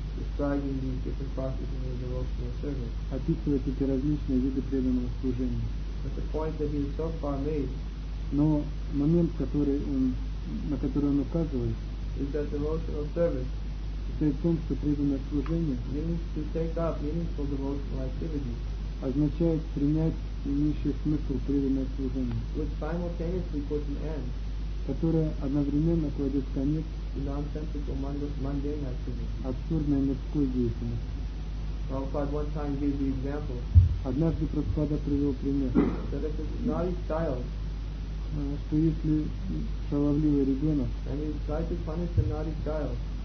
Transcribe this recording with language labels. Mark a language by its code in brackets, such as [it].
[en] describing the different practices in the devotional service. [ru] Описывает эти различные виды преданного служения. [en] But the point that he has so far made, [ru] но момент, который он, на который он указывает, [en] is that devotional service [ru] состоит в том, что преданное служение [en] means to take up meaningful devotional activity, [ru] означает принять имеющий смысл преданное служение, [en] which simultaneously puts an end, [ru] которое одновременно кладет конец [en] non-sensical [ru] абсурдной мирской деятельности. [en] Prabhupada one time gave the example. [ru] Однажды Прабхупада привел пример. [en] That if it's not his child, [ru] что если шаловливый ребенок, [en] and he tried to punish the naughty child,